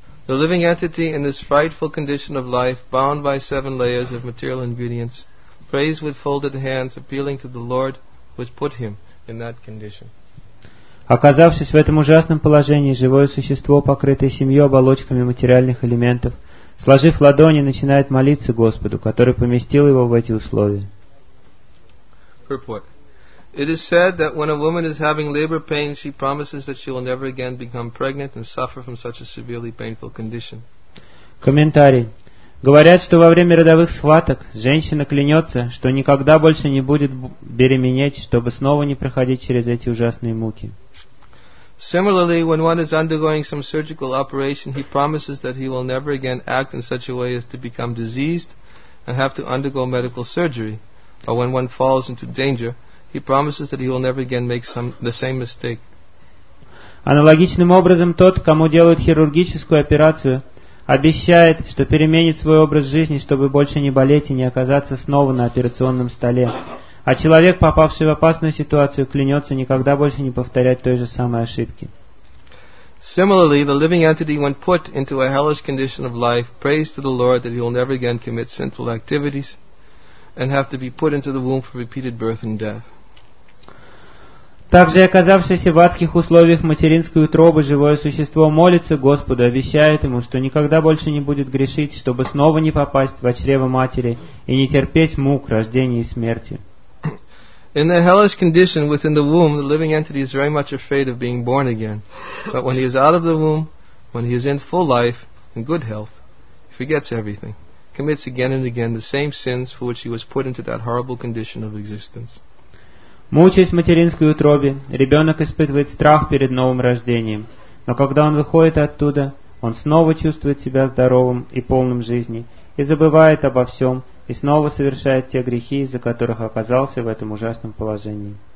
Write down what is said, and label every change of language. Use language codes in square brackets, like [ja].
[en] The living entity in this frightful condition of life, bound by seven layers of material ingredients, prays with folded hands, appealing to the Lord who has put him in that condition. [ru] Оказавшись в этом ужасном положении, живое существо, покрытое семью оболочками материальных элементов, сложив ладони, начинает молиться Господу, который поместил его в эти условия. [en] Purport. It is said that when a woman is having labor pains, she promises that she will never again become pregnant and suffer from such a severely painful condition. [ru] Комментарий. Говорят, что во время родовых схваток женщина клянется, что никогда больше не будет беременеть, чтобы снова не проходить через эти ужасные муки. [en] Similarly, when one is undergoing some surgical operation, he promises that he will never again act in such a way as to become diseased and have to undergo medical surgery. Or when one falls into danger, he promises that he will never again make the same mistake. [ru] Аналогичным образом тот, кому делают хирургическую операцию, обещает, что переменит свой образ жизни, чтобы больше не болеть и не оказаться снова на операционном столе. А человек, попавший в опасную ситуацию, клянется никогда больше не повторять той же самой ошибки. [en] Similarly, the living entity, when put into a hellish condition of life, prays to the Lord that he will never again commit sinful activities and have to be put into the womb for repeated birth and death. [ru] Также, оказавшееся в адских условиях материнской утробы, живое существо молится Господу, обещает ему, что никогда больше не будет грешить, чтобы снова не попасть в чрево матери и не терпеть мук рождения и смерти. [en] In the hellish condition within the womb, the living entity is very much afraid of being born again. But when he is out of the womb, when he is in full life and good health, he forgets everything, commits again and again the same sins for which he was put into that horrible condition of existence. [ru] Мучаясь в материнской утробе, ребенок испытывает страх перед новым рождением, но когда он выходит оттуда, он снова чувствует себя здоровым и полным жизни, и забывает обо всем, и снова совершает те грехи, из-за которых оказался в этом ужасном положении.